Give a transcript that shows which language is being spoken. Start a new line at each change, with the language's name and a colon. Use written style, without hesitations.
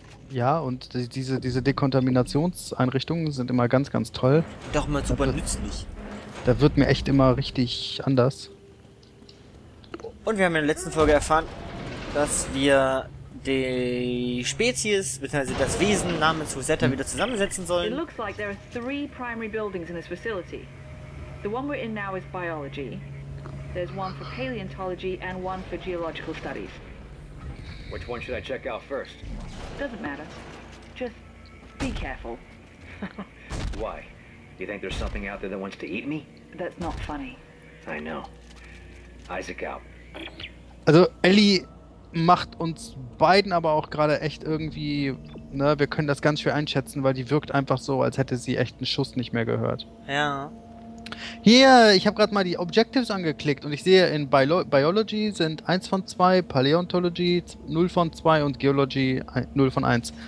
German: Ja, und diese Dekontaminationseinrichtungen sind immer ganz, ganz toll. Doch mal super nützlich. Da wird mir echt immer richtig anders. Und wir haben in der letzten Folge erfahren, dass wir die Spezies, beziehungsweise das Wesen namens Rosetta wieder zusammensetzen
English: It looks like there are three primary buildings in this facility. The one we're in now is biology. There's one for paleontology and one for geological studies. Which one should I check out first? Doesn't matter. Just be careful. Why? You think there's something out there that wants to eat me? That's not funny. I know. Isaac out.
German: Also, Ellie macht uns beiden aber auch gerade echt irgendwie, ne, wir können das ganz schwer einschätzen, weil die wirkt einfach so, als hätte sie echt einen Schuss nicht mehr gehört. Ja. Hier, ich habe gerade mal die Objectives angeklickt und ich sehe, in Biology sind 1 von 2, Paleontology 0 von 2 und Geology 0 von 1.